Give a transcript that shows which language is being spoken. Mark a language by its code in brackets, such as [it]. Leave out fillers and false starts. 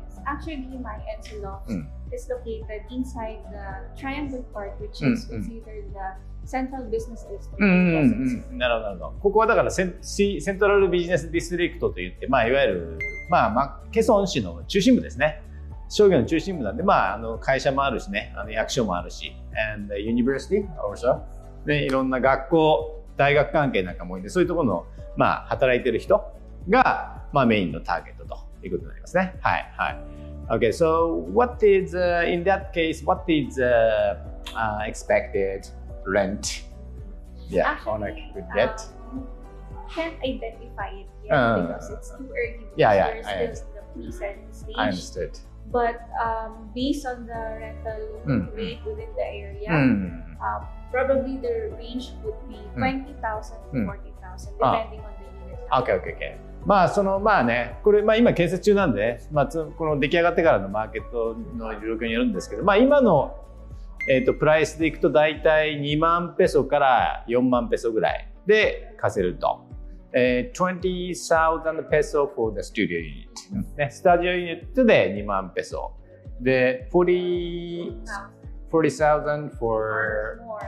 [en] Actually, my entry loft is located inside the Triangle Park, which is considered the central business district. [ja] なるほど。ここはだからセントラルビジネスディストリクトといって、まあ、いわゆる、まあ、ケソン市の中心部ですね。商業の中心部なんで、まあ、会社もあるしね、役所もあるし、 [en] and the university also. [ja] で、いろんな学校、大学関係なんかも多いんで、そういうところの、まあ、働いてる人が、まあ、メインのターゲットと。ということになりますね。はいはい。 [en] Okay, so what is in that case? What is expected rent? Yeah, actually, owner could get. Can't identify it yet because it's too early. Yeah. The pre-selling stage. I understood. But based on the rental rate within the area, probably the range would be 20,000 to 40,000, depending on the unit. Okay. [ja] まあ、まあね、これ、まあ今建設中なんで、まあ、この出来上がってからのマーケットの状況によるんですけど、まあ今の、プライスでいくと大体2万ペソから4万ペソぐらいで貸せると。 [en] 20,000 peso for the studio unit、 [ja] うんね、スタジオユニットで2万ペソで [en] 40,000 for